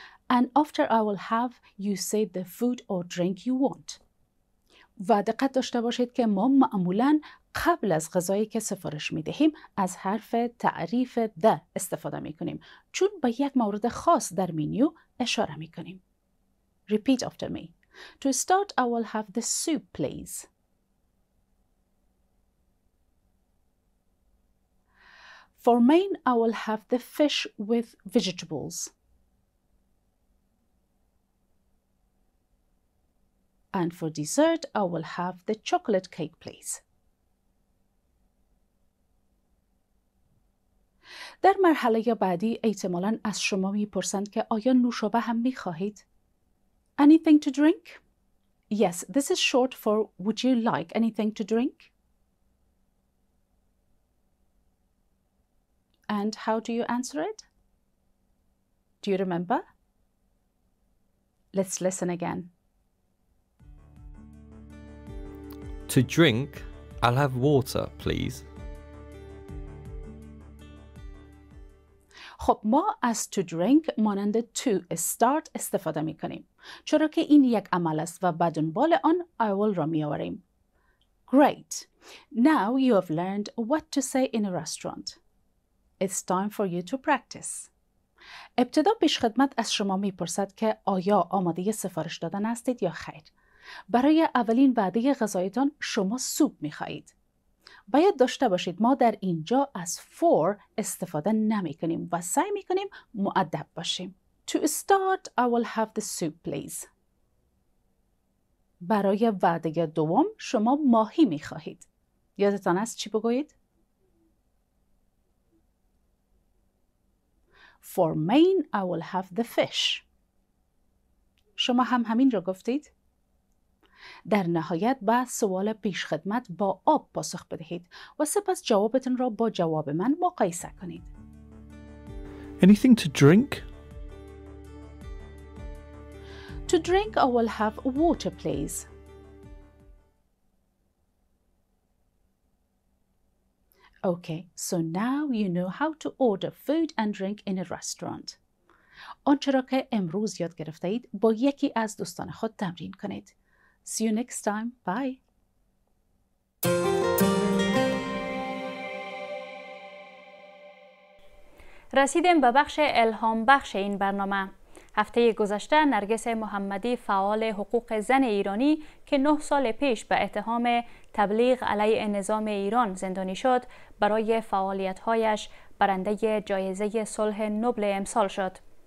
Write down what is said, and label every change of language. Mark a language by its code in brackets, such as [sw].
[en] And after I will have, you say the food or drink you want. [fa] و دقت داشته باشید که ما معمولاً قبل از غذایی که سفارش می دهیم از حرف تعریف ده استفاده می کنیم چون به یک مورد خاص در مینیو اشاره می کنیم. [en] Repeat after me. To start, I will have the soup, please. For main, I will have the fish with vegetables. And for dessert, I will have the chocolate cake, please. [fa] در مرحله بعدی احتمالاً از شما میپرسند که آیا نوشابه هم میخواهید؟ [en] Anything to drink? Yes, this is short for would you like anything to drink? And how do you answer it? Do you remember? Let's listen again. To drink, I'll have water, please. [fa] خب ما از [en] to drink [fa] مانند [en] to start [fa] استفاده می کنیم. چرا که این یک عمل است و بدنبال آن [en] I will [fa] را می آوریم. [en] Great. Now you have learned what to say in a restaurant. It's time for you to practice. [fa] ابتدا پیش خدمت از شما می پرسد که آیا آماده سفارش دادن هستید یا خیر. برای اولین وعده غذایتان شما سوپ می خواهید. باید داشته باشید ما در اینجا از for استفاده نمی کنیم و سعی می کنیم مؤدب باشیم. [en] To start, I will have the soup, please. [fa] برای وعده دوم شما ماهی می خواهید. یادتان است چی بگویید؟ [en] For main, I will have the fish. [fa] شما هم همین را گفتید؟ در نهایت با سوال پیش خدمت با آب پاسخ بدهید و سپس جوابتون را با جواب من مقایسه کنید. [en] Anything to drink? To drink, I will have water, please. Okay, so now you know how to order food and drink in a restaurant. [fa] آنچه را که امروز یاد گرفته اید با یکی از دوستان خود تمرین کنید. [en] See you next time. Bye. [fa] رسیدیم به بخش الهام بخش این برنامه. هفته گذشته نرگس محمدی فعال حقوق زن ایرانی که 9 سال پیش به اتهام تبلیغ علیه نظام ایران زندانی شد برای فعالیت‌هایش برنده جایزه صلح نوبل امسال شد.